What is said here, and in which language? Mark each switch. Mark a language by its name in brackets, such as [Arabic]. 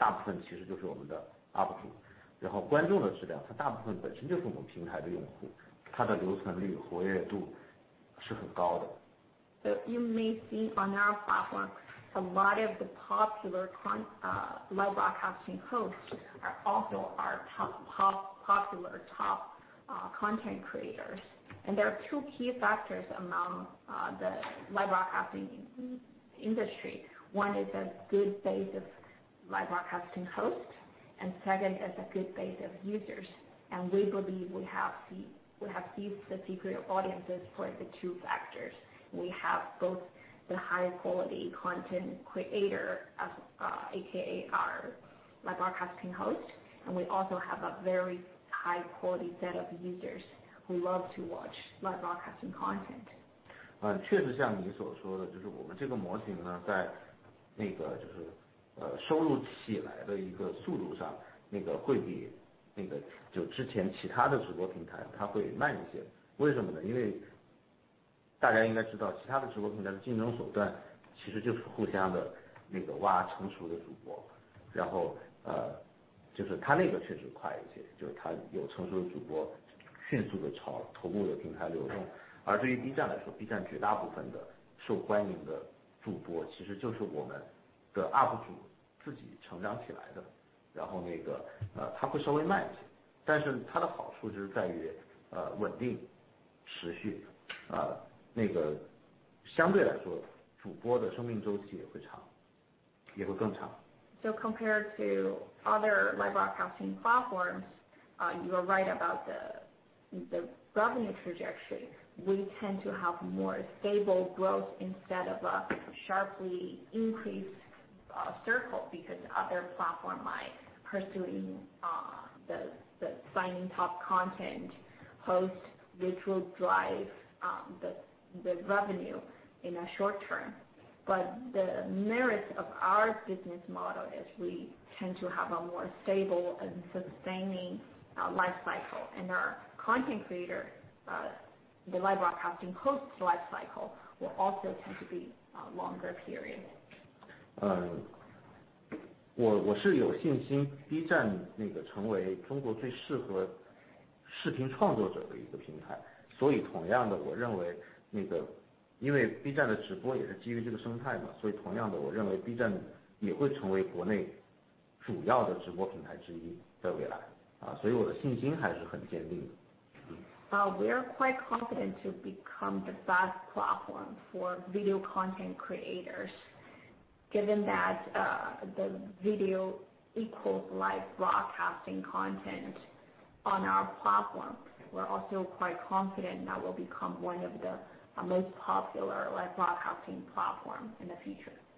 [Chinese] 对，所以的话就是那个我们知道就是对于直播业务它的两个叫关键的条件，一个就是主播的质量，一个就是观众的质量。然后对于我们来说，主播的质量和观众的质量我们都是有保障的，因为主播的质量它大部分其实就是我们的UP主。然后观众的质量，它大部分本身就是我们平台的用户，它的留存率、活跃度是很高的。 [English] So you may see on our platform a lot of the popular live broadcasting hosts are also our top content creators. And there are two key factors among the live broadcasting industry. One is a good base of live broadcasting hosts, and second is a good base of users. And we believe we have seized the secret audiences for the two factors. We have both the high quality content creator, aka our live broadcasting host, and we also have a very high quality set of users who love to watch live broadcasting content. [Chinese] 确实像你所说的，就是我们这个模型呢，在那个就是收入起来的一个速度上，那个会比那个就之前其他的直播平台它会慢一些。为什么呢？因为大家应该知道，其他的直播平台的竞争手段其实就是互相的那个挖成熟的主播，然后就是它那个确实快一些，就是它有成熟的主播迅速的朝头部的平台流动。而对于 B 站来说 ，B 站绝大部分的受欢迎的主播其实就是我们的 UP 主自己成长起来的，然后那个它会稍微慢一些，但是它的好处就是在于稳定、持续，那个相对来说主播的生命周期也会长，也会更长。 [English] So compared to other live broadcasting platforms, you are right about the revenue trajectory. We tend to have more stable growth instead of a sharply increased circle because other platforms might pursuing the signing top content host, which will drive the revenue in a short term. But the merits of our business model is we tend to have a more stable and sustaining life cycle, and our content creator, the live broadcasting host's life cycle will also tend to be a longer period. [Chinese] 我是有信心 B 站那个成为中国最适合视频创作者的一个平台，所以同样的我认为那个因为 B 站的直播也是基于这个生态嘛，所以同样的我认为 B 站也会成为国内主要的直播平台之一在未来啊，所以我的信心还是很坚定的。 [English] We are quite confident to become the best platform for video content creators given that the video equals live broadcasting content on our platform. We're also quite confident that we'll become one of the most popular live broadcasting platform in the future.